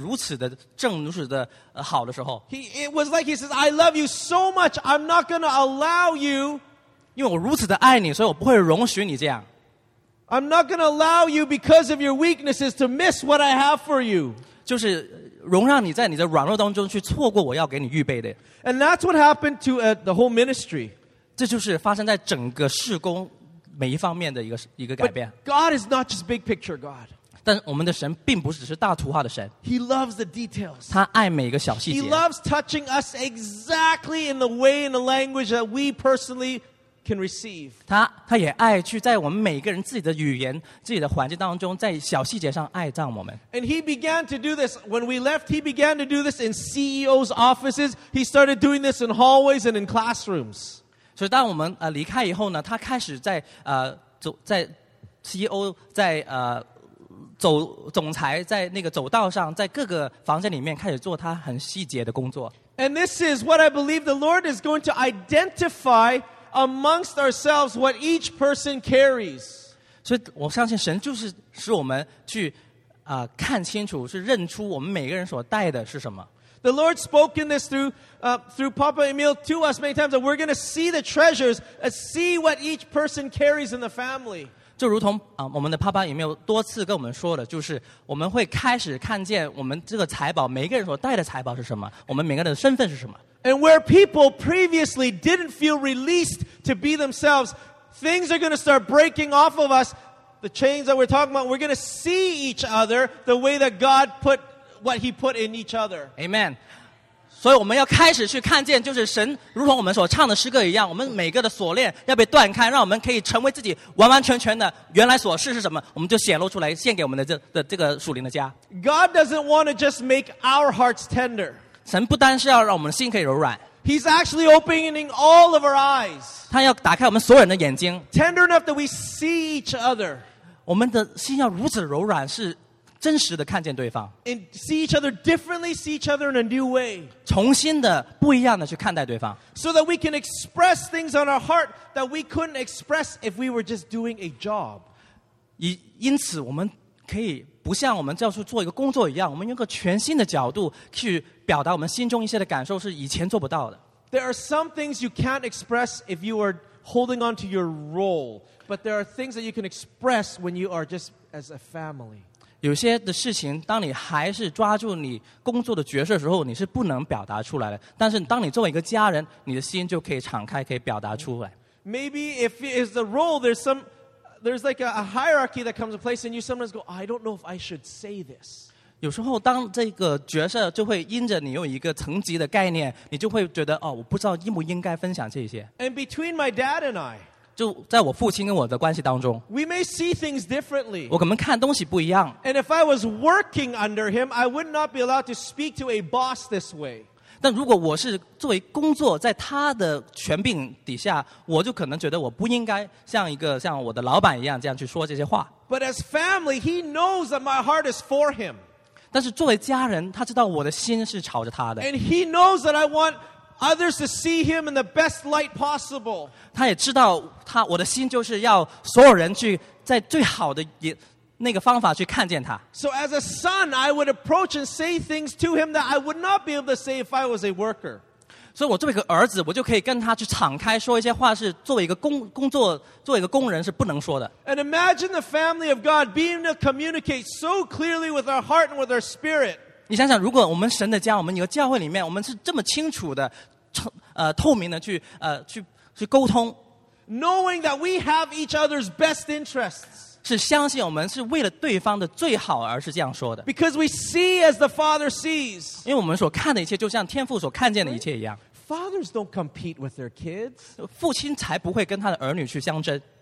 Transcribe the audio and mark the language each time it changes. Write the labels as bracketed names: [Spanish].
[Chinese] 你直线的像我的那个连接，你的心在我们前面是如此的正，如此的好的时候。 [English] It was like He says, "I love you so much, I'm not going to allow you." [Chinese] 因为我如此的爱你，所以我不会容许你这样。 [English] I'm not going to allow you because of your weaknesses to miss what I have for you. [Chinese] 就是容让你在你的软弱当中去错过我要给你预备的。 [English] And that's what happened to the whole ministry. [Chinese] 这就是发生在整个事工。 [English] But God is not just big picture God. He loves the details. He loves touching us exactly in the way and the language that we personally can receive. [Chinese] 他也爱去在我们每个人自己的语言、自己的环境当中，在小细节上爱上我们。 [English] And He began to do this when we left. He began to do this in CEOs' offices. He started doing this in hallways and in classrooms. [Chinese] 所以当我们离开以后呢，他开始在走在 CEO 在总裁在那个走道上，在各个房间里面开始做他很细节的工作。 [English] And this is what I believe the Lord is going to identify amongst ourselves what each person carries. [Chinese] 所以我相信神就是使我们去看清楚，是认出我们每个人所带的是什么。 [English] The Lord spoken this through Papa Emil to us many times that we're going to see the treasures, see what each person carries in the family. [Chinese] 就如同我们的 Papa Emil 多次跟我们说的，就是我们会开始看见我们这个财宝，每个人所带的财宝是什么，我们每个人的身份是什么。 [English] And where people previously didn't feel released to be themselves, things are going to start breaking off of us. The chains that we're talking about, we're going to see each other the way that God put what he put in each other. Amen. [Chinese] 所以我们要开始去看见，就是神如同我们所唱的诗歌一样，我们每个的锁链要被断开，让我们可以成为自己完完全全的原来所是是什么，我们就显露出来献给我们的这个属灵的家。 [English] God doesn't want to just make our hearts tender. [Chinese] 神不单是要让我们的心可以柔软。 [English] He's actually opening all of our eyes. [Chinese] 他要打开我们所有人的眼睛。 [English] Tender enough that we see each other. [Chinese] 我们的心要如此柔软是真实的看见对方。 [English] And see each other differently, see each other in a new way. [Chinese] 重新的不一样的去看待对方。 [English] So that we can express things on our heart that we couldn't express if we were just doing a job. [Chinese] 因此我们可以不像我们要去做一个工作一样，我们用个全新的角度去表达我们心中一些的感受是以前做不到的。 [English] There are some things you can't express if you are holding on to your role, but there are things that you can express when you are just as a family. [Chinese] 有些的事情当你还是抓住你工作的角色的时候你是不能表达出来的，但是当你作为一个家人你的心就可以敞开可以表达出来。 [English] Maybe if it is the role there's like a hierarchy that comes to place and you sometimes go I don't know if I should say this. [Chinese] 有时候当这个角色就会因着你用一个层级的概念，你就会觉得哦，我不知道应不应该分享这些。 [English] And between my dad and I [Chinese] 就在我父亲跟我的关系当中 [English] we may see things differently. [Chinese] 我可能看东西不一样。 [English] And if I was working under him, I would not be allowed to speak to a boss this way. [Chinese] 但如果我是作为工作在他的权柄底下，我就可能觉得我不应该像一个像我的老板一样这样去说这些话。 [English] But as family, he knows that my heart is for him. [Chinese] 但是作为家人，他知道我的心是朝着他的。 [English] And he knows that I want others to see him in the best light possible. [Chinese] 他也知道他我的心就是要所有人去在最好的那个方法去看见他。 [English] So as a son, I would approach and say things to him that I would not be able to say if I was a worker. [Chinese] 所以我作为一个儿子，我就可以跟他去敞开说一些话，是作为一个工作，作为一个工人是不能说的。 [English] And imagine the family of God being able to communicate so clearly with our heart and with our spirit. [Chinese] 你想想，如果我们神的家，我们一个教会里面，我们是这么清楚的、透明的去沟通 [English] ，knowing that we have each other's best interests， [Chinese] 是相信我们是为了对方的最好而是这样说的 [English] ，because we see as the Father sees， [Chinese] 因为我们所看的一切就像天父所看见的一切一样。 [English] Fathers don't compete with their kids， [Chinese] 父亲才不会跟他的儿女去相争。